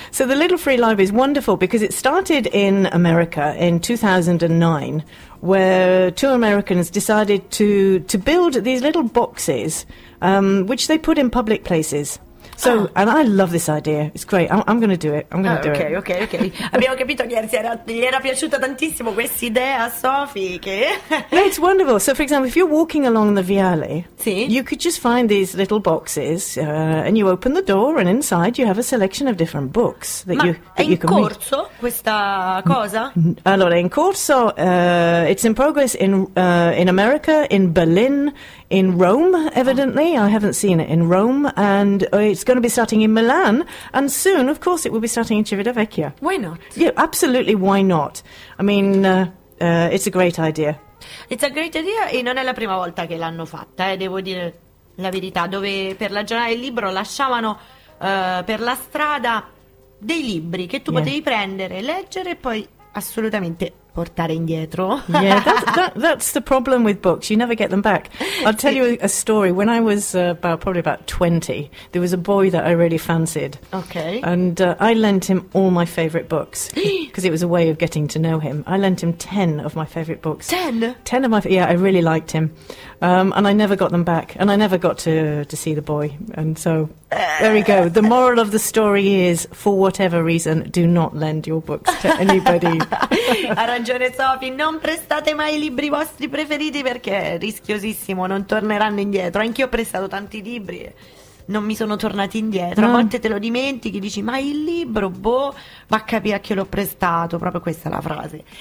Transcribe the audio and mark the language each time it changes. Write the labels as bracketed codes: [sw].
[en] So the Little Free Library is wonderful because it started in America in 2009. Where two Americans decided to build these little boxes, which they put in public places. So, and I love this idea. It's great. I'm going to do it. Okay. [it] Abbiamo capito che gli era piaciuta tantissimo questa idea, Sophie. Che [en] no, it's wonderful. So, for example, if you're walking along the viale, [it] sì, [en] you could just find these little boxes, and you open the door, and inside you have a selection of different books [it] Ma è in corso questa cosa? Allora, in corso. [en] It's in progress in America, in Berlin, in Rome. Evidently, I haven't seen it in Rome, and it's going to be starting in Milan, and soon, of course, it will be starting in Civitavecchia. Why not? Yeah, absolutely, why not? I mean, it's a great idea. It's a great idea, [it] e non è la prima volta che l'hanno fatta, devo dire la verità, dove per la giornata del libro lasciavano per la strada dei libri che tu potevi prendere, leggere e poi assolutamente portare indietro. [en] Yeah, that's the problem with books. You never get them back. I'll tell you a story. When I was about 20, there was a boy that I really fancied. Okay. And I lent him all my favorite books because it was a way of getting to know him. I lent him 10 of my favorite books. 10? 10 of my favorite. Yeah, I really liked him. And I never got them back. And I never got to see the boy. And so there we go. The moral of the story is, for whatever reason, do not lend your books to anybody. [it] Ragione Sophie, non prestate mai i libri vostri preferiti perché è rischiosissimo, non torneranno indietro. Anch'io ho prestato tanti libri, non mi sono tornati indietro. A volte te lo dimentichi, dici ma il libro, boh, va a capire a chi l'ho prestato, proprio questa è la frase.